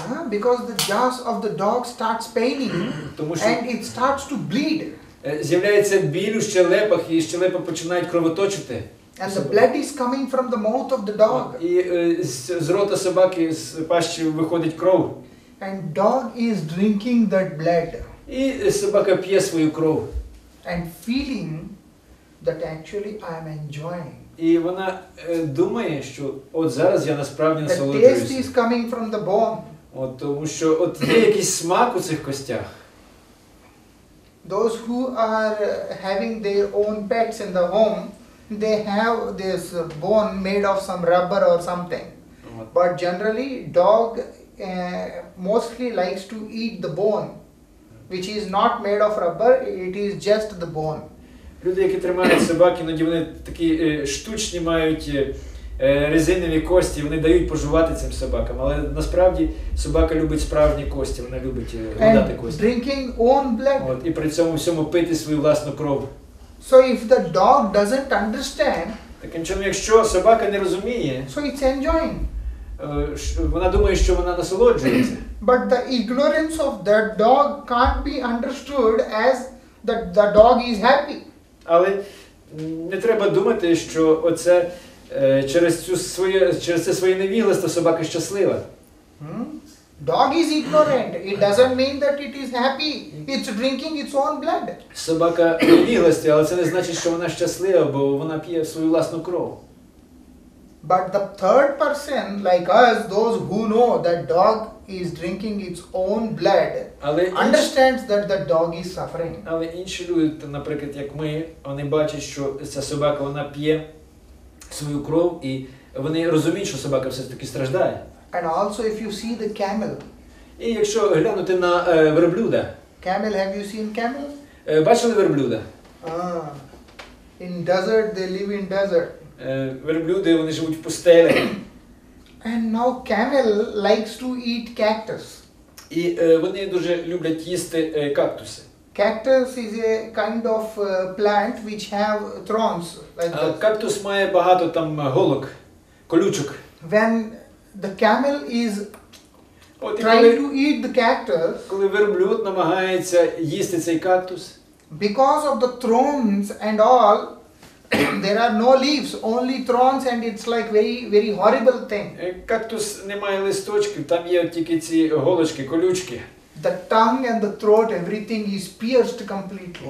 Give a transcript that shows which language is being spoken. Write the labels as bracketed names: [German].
[English] Because the jaws of the dog starts paining and it starts to bleed. [Ukrainian] З'являється біль у щелепах і щелепи починають кровоточити. [English] And the blood is coming from the mouth of the dog. [Ukrainian] І з рота собаки, з пащі виходить кров. [English] And dog is drinking that blood. [Ukrainian] І собака п'є свою кров. [English] And feeling that actually I am enjoying. [Ukrainian] І вона думає, що от зараз я насправді насолоджуюся. [English] The taste is coming from the bone. [Ukrainian] От, тому що от є якийсь смак у цих костях. [English] Those who are having their own pets in the home, they have this bone made of some rubber or something. But generally, dog mostly likes to eat the bone, which is not made of rubber, it is just the bone. [Ukrainian] Люди, які тримають собак, іноді вони такі штучні мають резинові кості, вони дають пожувати цим собакам, але насправді собака любить справжні кості, вона любить гладати кості. [English] Drinking own blood. [Ukrainian] От, і при цьому всьому пити свою власну кров. [English] So if the dog doesn't understand, [Ukrainian] так якщо собака не розуміє, [English] so it's enjoying. [Ukrainian] Вона думає, що вона насолоджується. [English] But the ignorance of that dog can't be understood as that the dog is happy. [Ukrainian] Але не треба думати, що оце через це своє невігластво собака щаслива. [English] Dog is ignorant. It doesn't mean that it is happy. It's drinking its own blood. [Ukrainian] Собака невігласті, але це не значить, що вона щаслива, бо вона п'є свою власну кров. [English] But the third person, like us, those who know that dog is drinking its own blood, understands that the dog is suffering. [Ukrainian] Але інші люди, наприклад, як ми, вони бачать, що ця собака, вона п'є свою кров, і вони розуміють, що собака все-таки страждає. [English] And also, if you see the camel. [Ukrainian] І якщо глянути на верблюда. [English] Camel, have you seen camel? [Ukrainian] Бачили верблюда? [English] In desert, they live in desert. [Ukrainian] Верблюди, вони живуть в пустелі. [English] And now camel likes to eat cactus. [Ukrainian] І вони дуже люблять їсти кактуси. [English] Cactus is a kind of plant which have thorns. [Ukrainian] Кактус має багато там голок, колючок. [English] When the camel is trying to eat the cactus, [Ukrainian] коли верблюд намагається їсти цей кактус, [English] because of the thorns and all, there are no leaves, only thorns, and it's like very, very horrible thing. [Ukrainian] Кактус не має листочків, там є тільки ці голочки, колючки. [English] The tongue and the throat, everything is pierced completely.